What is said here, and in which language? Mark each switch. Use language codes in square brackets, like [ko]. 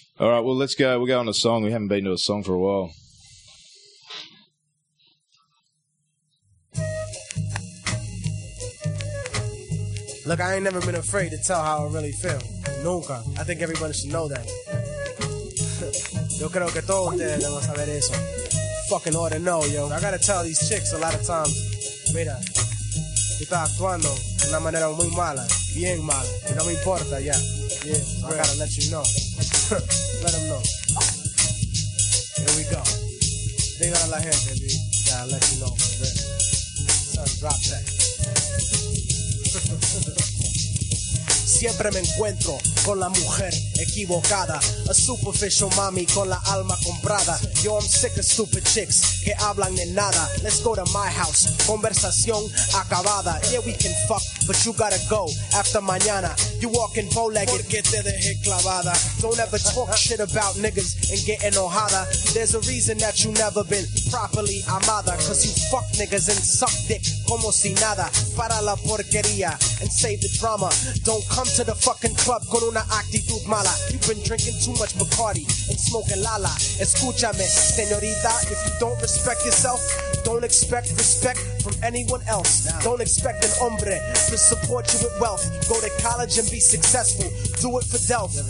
[en] All right. Well, let's go. We're going to a song. We haven't been to a song for a while. Look, I ain't never been afraid to tell how I really feel. [es] Nunca. [en] I think everybody should know that. [es] Yo creo que todos ustedes deben saber eso. [en] Fucking ought to know, yo. I gotta tell these chicks a lot of times. [es] Mira, tú estás actuando de una manera muy mala. Bien mala. Y no me importa, ya. [en] Yeah. So I gotta let you know. Let them know. Here we go. [es] Diga a la gente, [en] dude. Gotta let you know. Real. Son, drop that. [es] siempre me encuentro con la mujer equivocada. [en] A superficial mommy [es] con la alma comprada. [en] Yo, I'm sick of stupid chicks [es] que hablan de nada. [en] Let's go to my house, [es] conversación acabada. [en] Yeah, we can fuck, but you gotta go after [es] mañana. [en] You walking bow-legged, [es] porque te dejé clavada. [en] Don't ever talk shit about niggas and get [es] enojada. [en] There's a reason that you never been properly [es] amada. [en] Cause you fuck niggas and suck dick [es] como si nada. Para la porquería [en] and save the drama. Don't come to the fucking club [es] con una actitud mala. [en] You've been drinking too much Bacardi and smoking Lala. [es] Escúchame, señorita, [en] if you don't respect yourself, don't expect respect from anyone else. Nah. Don't expect an hombre to support you with wealth. Go to college and be successful. Do it for Delph.